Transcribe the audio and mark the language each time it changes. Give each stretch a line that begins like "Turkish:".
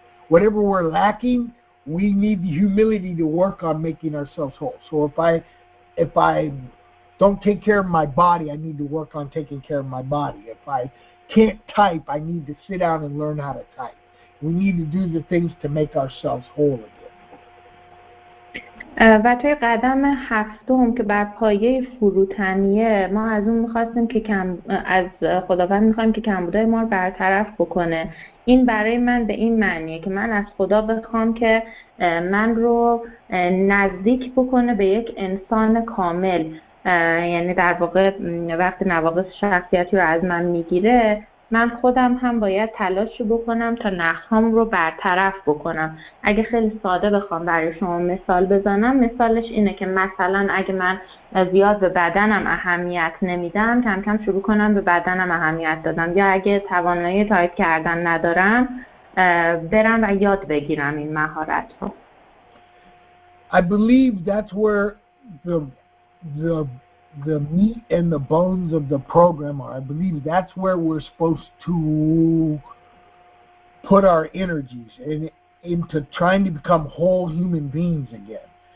English: Whatever we're lacking, we need the humility to work on making ourselves whole. So if I don't take care of my body, I need to work on taking care of my body. If I can't type, I need to sit down and learn how to type. We need to do the things to make ourselves whole.
Persian: و توی قدم هفتم که بر پایه فروتنیه ما از اون می‌خواستیم که کم از خداوند می‌خوایم که کمبودهای ما رو برطرف بکنه. این برای من به این معنیه که من از خدا بخوام که من رو نزدیک بکنه به یک انسان کامل. یعنی در واقع وقتی نواقص شخصیتی رو از من می‌گیره، من خودم هم باید تلاش بکنم تا نقص‌هام رو برطرف بکنم. اگه خیلی ساده بخوام برای شما مثال بزنم، مثالش اینه که مثلا اگه من زیاد به بدنم اهمیت نمیدم، کم کم شروع کنم به بدنم اهمیت دادم. یا اگه توانایی تایپ کردن ندارم، برم و یاد بگیرم این مهارت رو.
English: I believe that's where the meat and the bones of the program are. I believe that's where we're supposed to put our energies into trying to become whole human beings again.